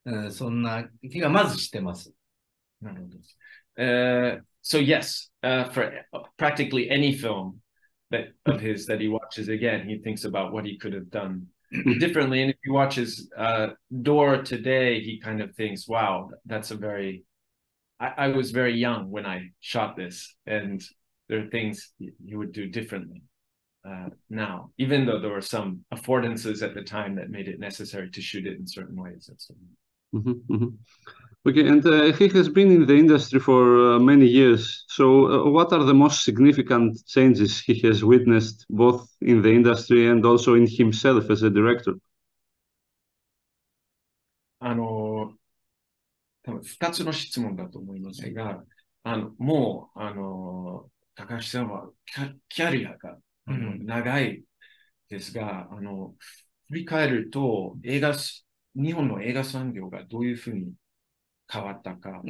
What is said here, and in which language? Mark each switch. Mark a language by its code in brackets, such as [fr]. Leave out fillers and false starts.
[ja] そんな気がまずしてます。なるほど。 [en] So yes, for practically any film that of his that he watches again, he thinks about what he could have done differently. And if he watches Door today, he kind of thinks, wow, that's a very I was very young when I shot this, and there are things he would do differently now, even though there were some affordances at the time that made it necessary to shoot it in certain ways. That's Okay, and he has been in the industry for many years. So, what are the most significant changes he has witnessed both in the industry and also in himself as a director? [ja] 多分2つの質問だと思いますが、もう高橋さんはキャリアが長いですが、うん、振り返ると映画、日本の映画産業がどういうふうに変わったか、